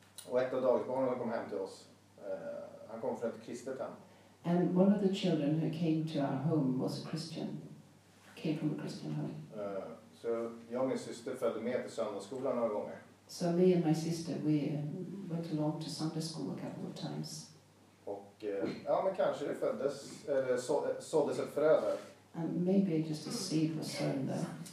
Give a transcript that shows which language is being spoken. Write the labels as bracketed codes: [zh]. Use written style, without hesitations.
[sv] Och ett av dagbarnen kom hem till oss. Han kom från ett kristet hem. [en] And one of the children who came to our home was a Christian. Came from a Christian home. [sv] Så jag och min syster följde med till söndagsskolan några gånger. [en] So me and my sister, we went along to Sunday school a couple of times. [sv] Och ja, men kanske det föddes, eller såddes ett frö där. [en] And maybe just a seed was sown there.